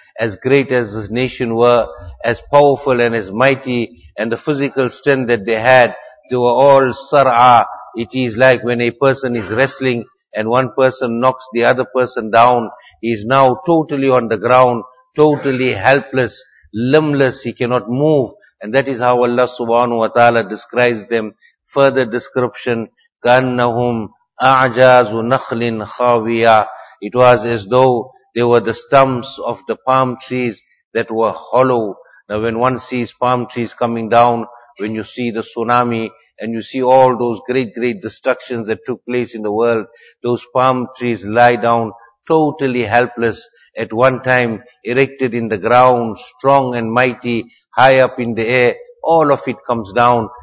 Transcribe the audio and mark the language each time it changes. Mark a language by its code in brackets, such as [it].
[en] As great as this nation were, as powerful and as mighty, and the physical strength that they had, they were all sar'a. It is like when a person is wrestling and one person knocks the other person down, he is now totally on the ground, totally helpless, limbless, he cannot move. And that is how Allah subhanahu wa ta'ala describes them. Further description, [ar] كَأَنَّهُمْ أَعْجَازُ نَخْلٍ خَاوِيَا. [en] It was as though they were the stumps of the palm trees that were hollow. Now when one sees palm trees coming down, when you see the tsunami, and you see all those great, great destructions that took place in the world, those palm trees lie down totally helpless, at one time erected in the ground, strong and mighty, high up in the air, all of it comes down.